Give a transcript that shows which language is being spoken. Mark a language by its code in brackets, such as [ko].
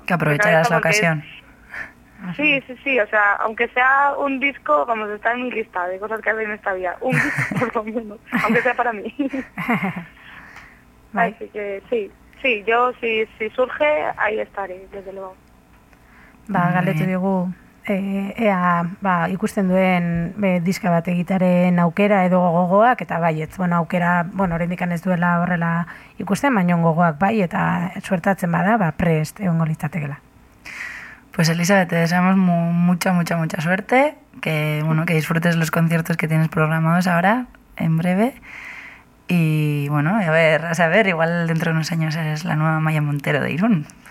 [es] Que aprovecharás la ocasión. Sí, sí, sí, o sea, aunque sea un disco, vamos, está en mi lista de cosas que hacer en esta vida. Un disco, por lo menos, aunque sea para mí. Vale. Así que sí, sí, yo si surge, ahí estaré, desde luego. [eu] Ba, galdetu digu, ea, ba, ikusten duen diska bat egitaren aukera edo gogoak, eta baietz, bueno, aukera, bueno, oraindik ez duela horrela ikusten, baina gogoak bai, eta suertatzen bada, ba, prest egongo litzatekeela. [es] Pues Elizabeth, te deseamos mucha suerte, que, bueno, que disfrutes los conciertos que tienes programados ahora, en breve, y, bueno, a ver, igual dentro de unos años eres la nueva Maya Montero de Irún.